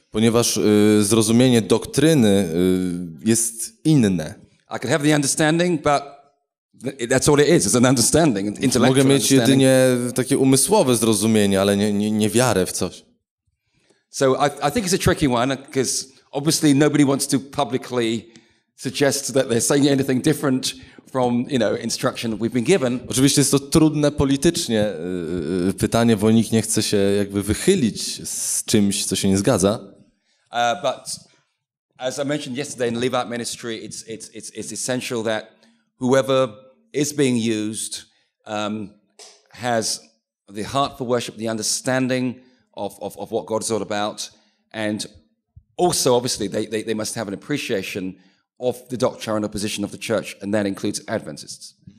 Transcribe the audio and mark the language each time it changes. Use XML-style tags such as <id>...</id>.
<pl>Ponieważ zrozumienie doktryny jest inne.</pl> <en>I could have the understanding, but that's all it is. It's an understanding, intellectual.</en> <pl>Mogę mieć jedynie takie umysłowe zrozumienie, ale nie wiarę w coś.</pl> <en>So I think it's a tricky one because obviously nobody wants to publicly suggest that they're saying anything different from, you know, instruction we've been given.</en> <pl>Oczywiście jest to trudne politycznie pytanie, bo nikt nie chce się jakby wychylić z czymś, co się nie zgadza.</pl> <en>But as I mentioned yesterday in Levite ministry, it's essential that whoever is being used has the heart for worship, the understanding of what God's all about, and also obviously they must have an appreciation of the doctrinal position of the church, and that includes Adventists.</en>